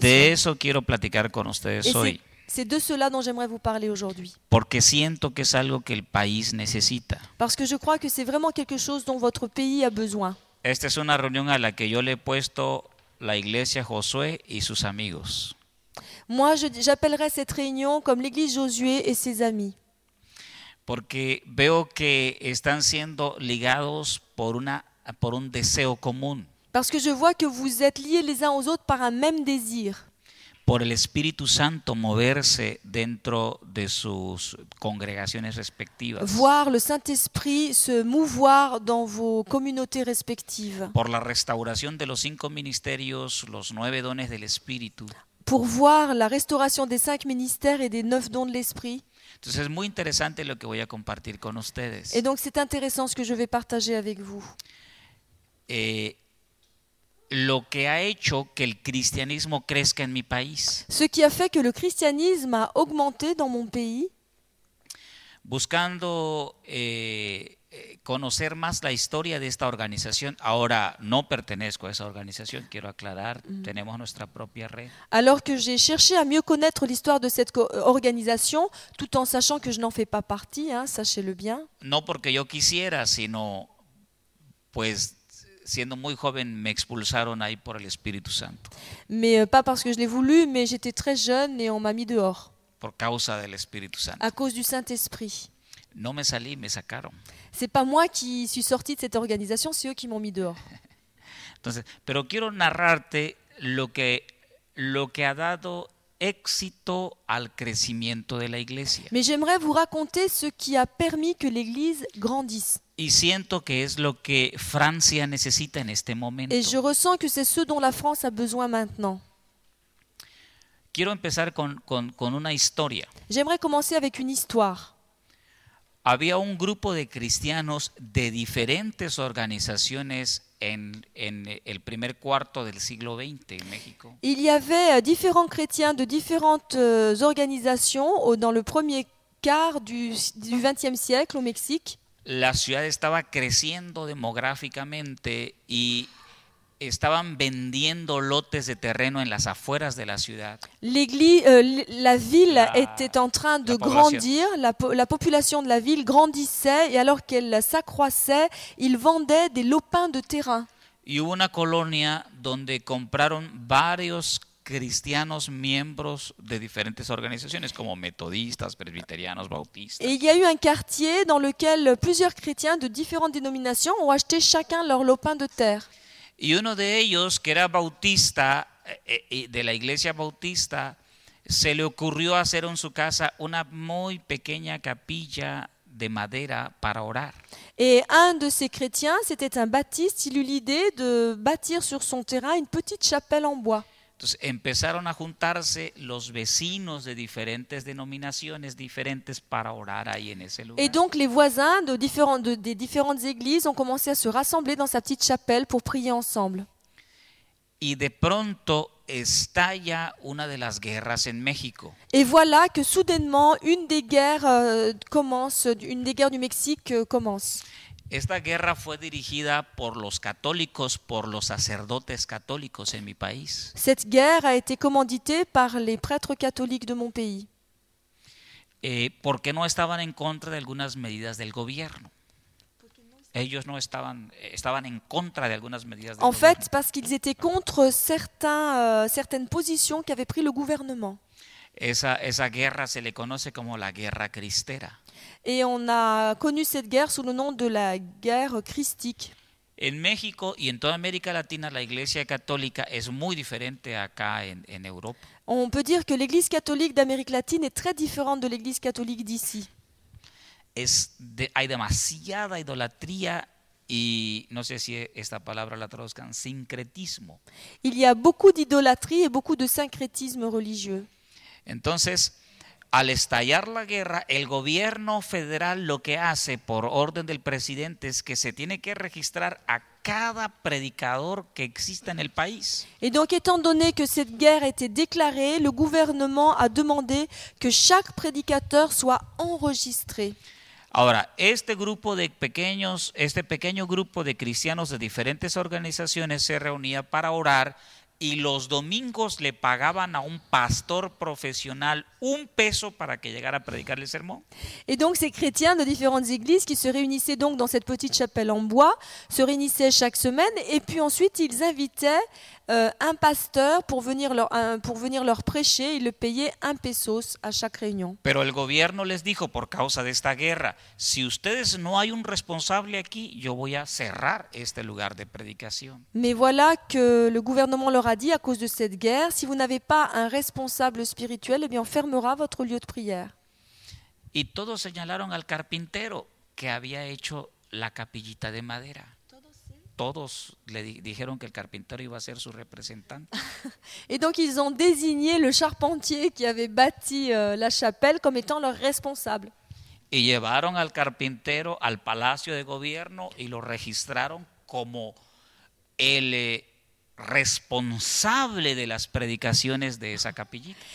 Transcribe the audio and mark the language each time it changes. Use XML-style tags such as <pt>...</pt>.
<es>De eso quiero platicar con ustedes hoy.</es> <fr>C'est de cela dont j'aimerais vous parler aujourd'hui.</fr> <es>Porque siento que es algo que el país necesita.</es> <fr>Parce que je crois que c'est vraiment quelque chose dont votre pays a besoin.</fr> <es>Esta es una reunión a la que yo le he puesto la iglesia Josué y sus amigos.</es> <fr>Moi, j'appellerais cette réunion comme l'église Josué et ses amis.</fr> <es>Porque veo que están siendo ligados por un deseo común.</es> <fr>Parce que je vois que vous êtes liés les uns aux autres par un même désir.</fr> <es>Por el Espíritu Santo moverse dentro de sus congregaciones respectivas.</es> <fr>Voir le Saint-Esprit se mouvoir dans vos communautés respectives.</fr> <es>Por la restauración de los 5 ministerios, los 9 dones del Espíritu.</es> <fr>Pour voir la restauration des 5 ministères et des 9 dons de l'Esprit.</fr> <es>Entonces, es muy interesante lo que voy a compartir con ustedes.</es> <fr>Et donc c'est intéressant ce que je vais partager avec vous.</fr> <es>Lo que ha hecho que el cristianismo crezca en mi país.</es> <fr>Ce qui a fait que le christianisme a augmenté dans mon pays.</fr> <es>Buscando conocer más la historia de esta organización. Ahora no pertenezco a esa organización, quiero aclarar, tenemos nuestra propia red.</es> <fr>Alors que j'ai cherché à mieux connaître l'histoire de cette organisation, tout en sachant que je n'en fais pas partie, hein, sachez-le bien.</fr> <es>No porque yo quisiera, sino pues siendo muy joven me expulsaron ahí por el Espíritu Santo.</es> <fr>Mais pas parce que je l'ai voulu, mais j'étais très jeune et on m'a mis dehors.</fr> <es>Por causa del Espíritu Santo.</es> <fr>À cause du Saint-Esprit.</fr> <es>No me salí, me sacaron.</es> <fr>C'est pas moi qui suis sorti de cette organisation, c'est eux qui m'ont mis dehors.</fr> <es>Entonces, pero quiero narrarte lo que ha dado éxito al crecimiento de la iglesia.</es> <fr>Mais j'aimerais vous raconter ce qui a permis que l'église grandisse.</fr> <es>Y siento que es lo que Francia necesita en este momento.</es> <fr>Et je ressens que c'est ce dont la France a besoin maintenant.</fr> <es>Quiero empezar con una historia.</es> <fr>J'aimerais commencer avec une histoire.</fr> <es>Había un grupo de cristianos de diferentes organizaciones en el primer cuarto del siglo XX en México.</es> <fr>Il y avait différents chrétiens de différentes organisations dans le premier quart du XXe siècle au Mexique.</fr> <es>La ciudad estaba creciendo demográficamente y estaban vendiendo lotes de terreno en las afueras de la ciudad.</es> <fr>La ville était en train de grandir, la population de la ville grandissait et alors qu'elle s'accroissait, ils vendaient des lopins de terrain.</fr> <es>Y hubo una colonia donde compraron varios cristianos miembros de diferentes organizaciones como metodistas, presbiterianos, bautistas.</es> <fr>Et il y a eu un quartier dans lequel plusieurs chrétiens de différentes dénominations ont acheté chacun leur lopin de terre.</fr> <es>Y uno de ellos, que era bautista, de la iglesia bautista, se le ocurrió hacer en su casa una muy pequeña capilla de madera para orar.</es> <fr>Et un de ces chrétiens, c'était un baptiste, il eut l'idée de bâtir sur son terrain une petite chapelle en bois.</fr> <es>Entonces empezaron a juntarse los vecinos de diferentes denominaciones diferentes para orar ahí en ese lugar.</es> <fr>Et donc les voisins de différentes églises ont commencé à se rassembler dans sa petite chapelle pour prier ensemble.</fr> <es>Y de pronto estalla una de las guerras en México.</es> <fr>Et voilà que soudainement une des guerres commence, une des guerres du Mexique commence.</fr> <es>Esta guerra fue dirigida por los católicos, por los sacerdotes católicos en mi país.</es> <fr>Cette guerre a été commanditée par les prêtres catholiques de mon pays.</fr> <es>Porque no estaban en contra de algunas medidas del gobierno. Ellos no estaban en contra de algunas medidas del gobierno.</es> <fr>En fait, parce qu'ils étaient contre certaines positions qu'avait pris le gouvernement.</fr> <es>Esa guerra se le conoce como la guerra cristera.</es> <fr>Et on a connu cette guerre sous le nom de la guerre christique.</fr> <es>En México y en toda América Latina la Iglesia Católica es muy diferente acá en Europa.</es> <fr>On peut dire que l'Église catholique d'Amérique latine est très différente de l'Église catholique d'ici.</fr> <es>Hay demasiada idolatría y no sé si esta palabra la traduzcan sincretismo.</es> <fr>Il y a beaucoup d'idolâtrie et beaucoup de syncrétisme religieux.</fr> <es>Entonces, al estallar la guerra, el gobierno federal lo que hace por orden del presidente es que se tiene que registrar a cada predicador que exista en el país.</es> <fr>Et donc, étant donné que cette guerre était déclarée, le gouvernement a demandé que chaque prédicateur soit enregistré.</fr> <es>Ahora, este pequeño grupo de cristianos de diferentes organizaciones se reunía para orar. Y los domingos le pagaban a un pastor profesional un peso para que llegara a predicar el sermón.</es> <fr>Et donc ces chrétiens de différentes églises qui se réunissaient donc dans cette petite chapelle en bois se réunissaient chaque semaine et puis ensuite ils invitaient un pasteur pour venir leur prêcher, ils le payaient un peso à chaque réunion.</fr> <es>Pero el gobierno les dijo por causa de esta guerra, si ustedes no hay un responsable aquí, yo voy a cerrar este lugar de predicación.</es> <fr>Mais voilà que le gouvernement leur a dit à cause de cette guerre, si vous n'avez pas un responsable spirituel, eh bien on fermera votre lieu de prière.</fr> <es>Y todos señalaron al carpintero que había hecho la capillita de madera. Todos le dijeron que el carpintero iba a ser su representante.</es> <fr>Et donc ils ont désigné le charpentier qui avait bâti la chapelle comme étant leur responsable.</fr> <es>Y llevaron al carpintero al palacio de gobierno y lo registraron como el responsable de las predicaciones de esa capillita.</es>